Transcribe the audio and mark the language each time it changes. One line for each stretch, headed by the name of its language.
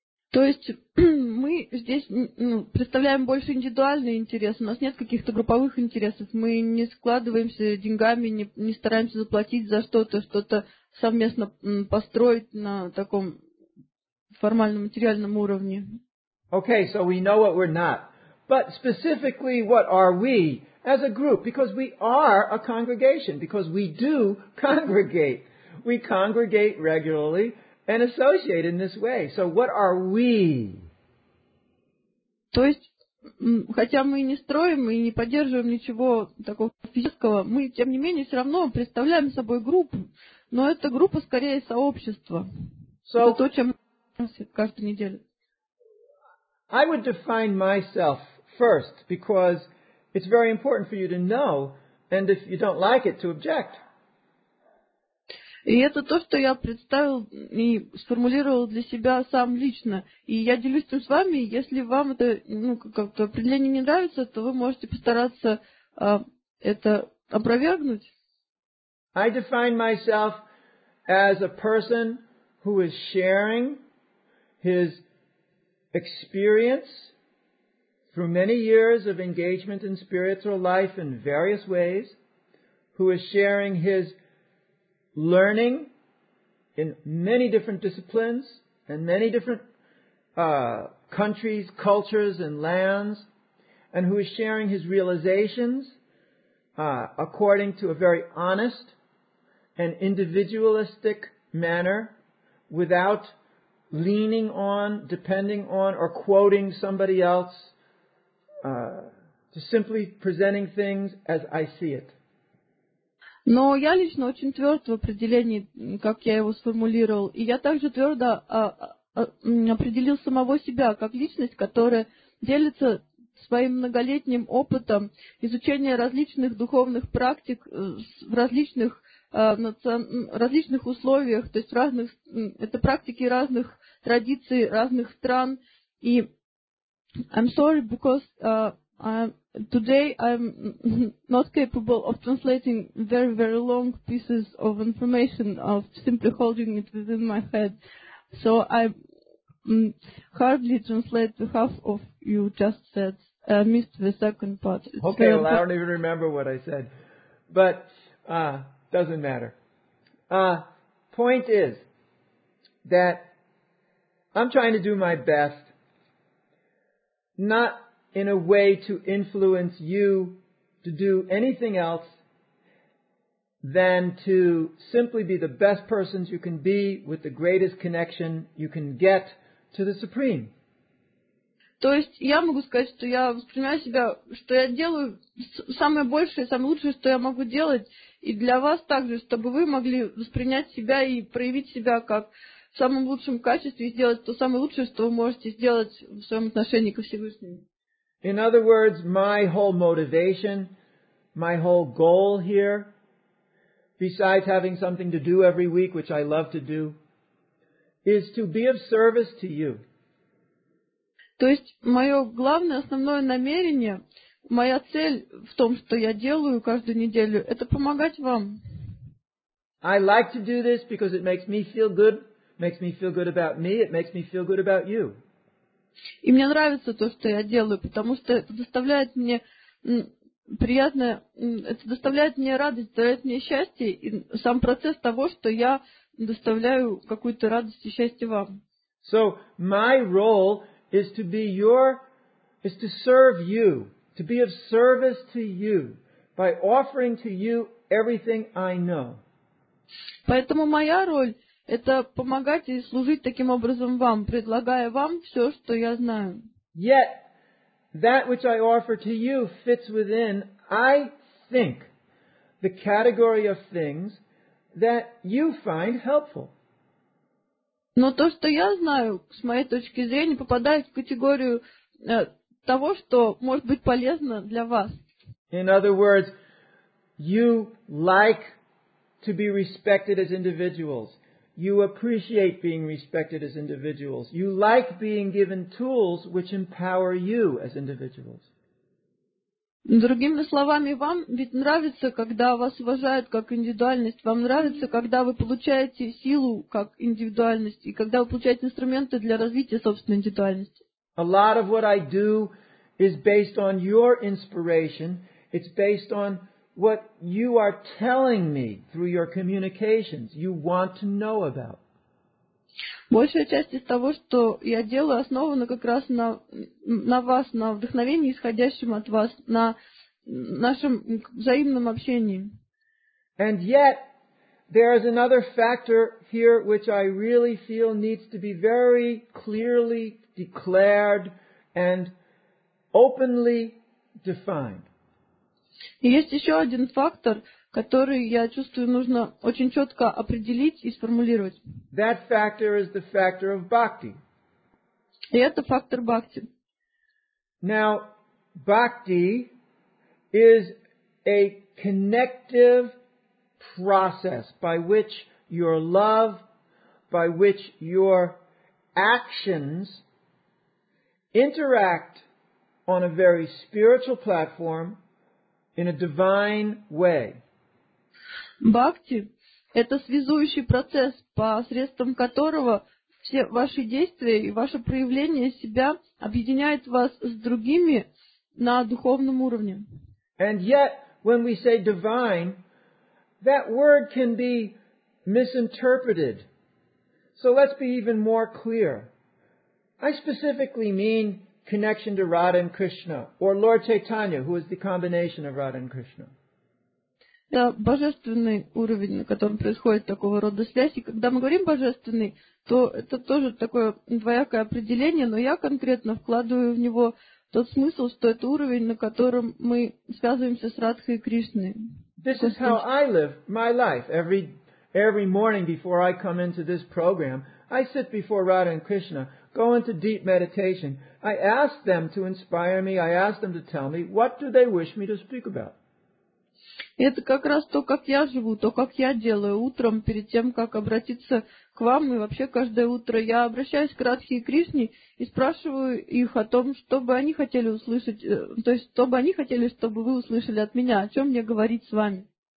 Russian: То есть мы здесь представляем больше индивидуальный интерес, у нас нет каких-то групповых интересов, мы не складываемся деньгами, не стараемся заплатить за что-то совместно построить на таком формальном материальном уровне.
English: Okay, so we know what we're not. But specifically, what are we as a group? Because we are a congregation, because we do congregate. We congregate regularly and associate in this way. So what are we?
Russian: То есть, хотя мы не строим и не поддерживаем ничего такого физического, мы, тем не менее, все равно представляем собой группу. Но эта группа скорее сообщество.
English: So,
Russian: это то, чем мы каждую неделю.
English: I would define myself first, because it's very important for you to know, and if you don't like it, to object.
Russian: И это то, что я представил и сформулировал для себя сам лично. И я делюсь этим с вами. Если вам это как-то определение не нравится, то вы можете постараться это опровергнуть.
English: I define myself as a person who is sharing his experience through many years of engagement in spiritual life in various ways, who is sharing his learning in many different disciplines and many different countries, cultures, and lands, and who is sharing his realizations according to a very honest and individualistic manner without leaning on, depending on, or quoting somebody else, just simply presenting things as I see it.
Russian: Но я лично очень тверд в определении, как я его сформулировал, и я также твердо определил самого себя как личность, которая делится своим многолетним опытом изучения различных духовных практик в различных, различных условиях, то есть разных, это практики разных традиций, разных стран. И
English: I'm sorry, because today I'm not capable of translating very, very long pieces of information, of simply holding it within my head. So I hardly translate the half of you just said. Missed the second part. It's okay, well, I don't even remember what I said. But doesn't matter. Point is that I'm trying to do my best, not in a way to influence you to do anything else than to simply be the best persons you can be with the greatest connection you can get to the Supreme.
Russian: То есть я могу сказать, что я воспринимаю себя, что я делаю самое большее, самое лучшее, что я могу делать, и для вас также, чтобы вы могли воспринять себя и проявить себя как в самом лучшем качестве и сделать то самое лучшее, что вы можете сделать в своем отношении ко Всевышнему.
English: In other words, my whole motivation, my whole goal here, besides having something to do every week, which I love to do, is to be of service to you.
Russian: То есть мое главное, основное намерение, моя цель в том, что я делаю каждую неделю, это помогать вам.
English: I like to do this because it makes me feel good. Makes me feel good about me. It makes me feel good about you.
Russian: И мне нравится то, что я делаю, потому что это доставляет мне приятное, это доставляет мне радость, доставляет мне счастье. И сам процесс того, что я доставляю какую-то радость и счастье вам.
English: So my role is to be your, is to serve you, to be of service to you by offering to you everything I know.
Russian: Поэтому моя роль это помогать и служить таким образом вам, предлагая вам все, что я знаю.
English: Yet that which I offer to you fits within, I think, the category of things that you find helpful.
Russian: Но то, что я знаю, с моей точки зрения, попадает в категорию того, что может быть полезно для вас.
English: In other words, you like to be respected as individuals. You appreciate being respected as individuals. You like being given tools which empower you as individuals.
Russian: Другими словами, вам ведь нравится, когда вас уважают как индивидуальность. Вам нравится, когда вы получаете силу как индивидуальность и когда вы получаете инструменты для развития собственной индивидуальности.
English: A lot of what I do is based on your inspiration. It's based on what you are telling me through your communications. You want to know about.
Russian: Большая часть из того, что я делаю, основана как раз на вас, на вдохновении, исходящем от вас, на нашем взаимном общении.
English: And yet, there is another factor here which I really feel needs to be very clearly declared and openly defined.
Russian: И есть еще один фактор, который, я чувствую, нужно очень четко определить и сформулировать.
English: That factor is the factor of bhakti.
Russian: И это фактор бхакти.
English: Now, bhakti is a connective process by which your love, by which your actions interact on a very spiritual platform in a divine way.
Russian: Бхакти – это связующий процесс, посредством которого все ваши действия и ваше проявление себя объединяет вас с другими на духовном уровне.
English: And yet, when we say divine, that word can be misinterpreted. So let's be even more clear. I specifically mean connection to Radha and Krishna, or Lord Chaitanya, who is the combination of Radha and Krishna.
Russian: Это божественный уровень, на котором происходит такого рода связь. И когда мы говорим божественный, то это тоже такое двоякое определение, но я конкретно вкладываю в него тот смысл, что это уровень, на котором мы связываемся с Радхой и Кришной.
English: This is how I live my life. Every morning before I come into this program, I sit before Radha and Krishna, go into deep meditation, I ask them to inspire me, I ask them to tell me, what do they wish me to speak about?
Russian: Это как раз то, как я живу, то, как я делаю утром, перед тем, как обратиться к вам, и вообще каждое утро я обращаюсь к Радхе и Кришне и спрашиваю их о том, что бы они хотели услышать, то есть, что бы они хотели, чтобы вы услышали от меня, о чем мне говорить с вами.